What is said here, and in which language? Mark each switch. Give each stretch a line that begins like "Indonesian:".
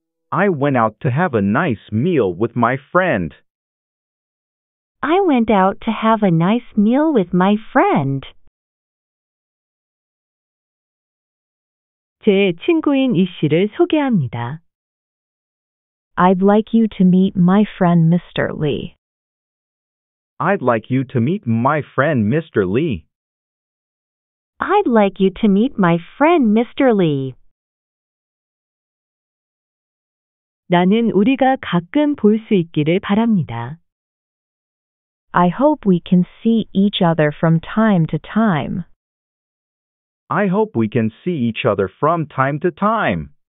English: I went out to have a nice meal with my friend. I went out to have a nice meal with my friend.
Korean: 제 친구인 이 씨를 소개합니다.
English: I'd like you to meet my friend Mr. Lee. I'd like you to meet my friend Mr. Lee. I'd like you to meet my friend Mr. Lee.
Korean: 나는 우리가 가끔 볼 수 있기를 바랍니다.
English: I hope we can see each other from time to time. I hope we can see each other from time to time.